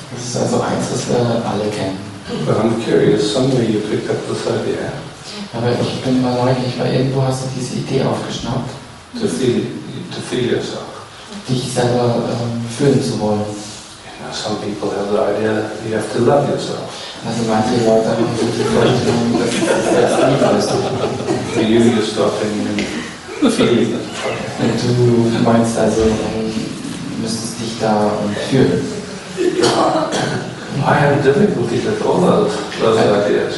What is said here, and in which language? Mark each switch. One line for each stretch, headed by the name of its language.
German: Das ist also eins, was wir alle kennen.
English: But I'm curious, somewhere you picked up this idea.
German: Aber ich bin mal neugierig, weil irgendwo hast du diese Idee aufgeschnappt.
English: To feel yourself.
German: Dich selber fühlen zu wollen.
English: Some people have the idea that you have to love yourself.
German: Also manche Leute haben so die Vorstellung, dass ich das selbst nicht alles tun kann.
English: For you, you start thinking and feeling.
German: Du meinst also, müsstest dich da fühlen.
English: I have difficulty with all those ideas.